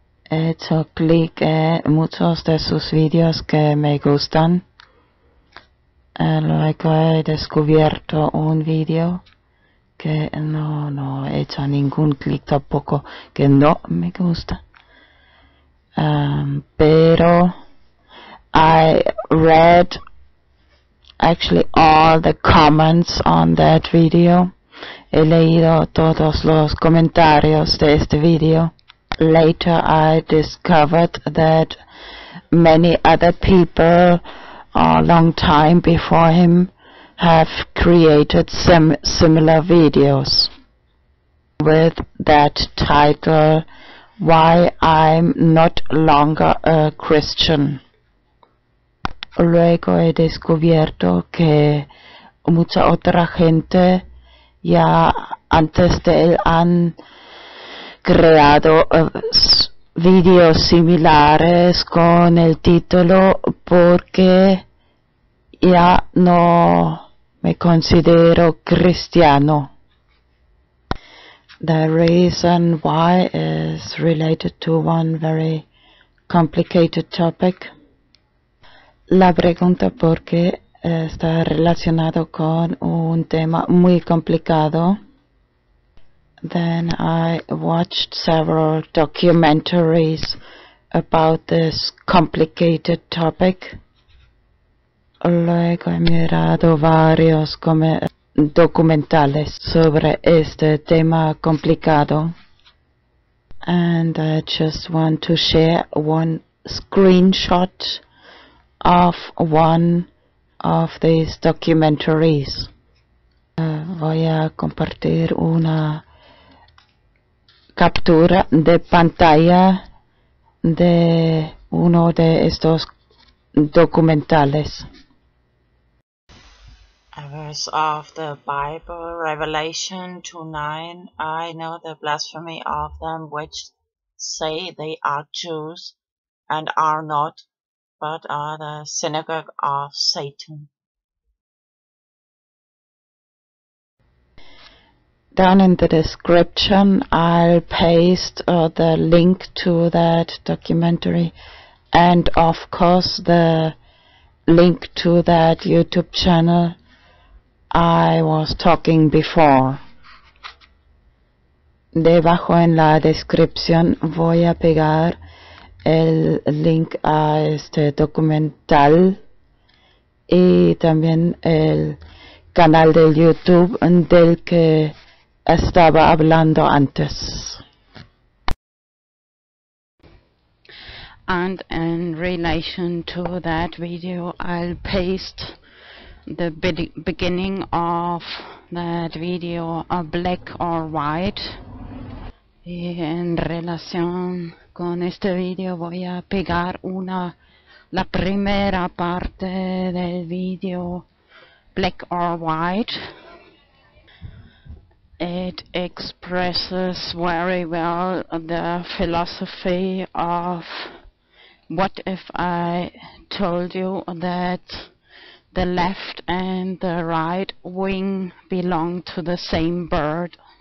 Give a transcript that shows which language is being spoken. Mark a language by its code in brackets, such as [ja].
[es] He hecho clic en muchos de sus videos que me gustan. Luego he descubierto un video que no he hecho ningún clic tampoco, que no me gusta. Pero [en] I read actually all the comments on that video. [es] He leído todos los comentarios de este video. [en] Later I discovered that many other people a long time before him have created some similar videos with that title, Why I'm Not Longer a Christian. [es] Luego he descubierto que mucha otra gente ya antes de él han creado videos similares con el título porque ya no me considero cristiano. [en] The reason why is related to one very complicated topic. [es] La pregunta por qué está relacionado con un tema muy complicado. [en] Then I watched several documentaries about this complicated topic. [es] Luego he mirado varios documentales sobre este tema complicado. [en] And I just want to share one screenshot of one of these documentaries. [es] Voy a compartir una captura de pantalla de uno de estos documentales. [en] A verse of the Bible, Revelation 2:9. I know the blasphemy of them which say they are Jews and are not, but are the synagogue of Satan. Down in the description, I'll paste the link to that documentary and, of course, the link to that YouTube channel I was talking before. [es] Debajo en la descripción voy a pegar el link a este documental y también el canal de YouTube del que estaba hablando antes. [en] And in relation to that video, I'll paste the beginning of that video, a black or white. [es] Y en relación con este video, voy a pegar la primera parte del video, black or white. [en] It expresses very well the philosophy of what if I told you that the left and the right wing belong to the same bird.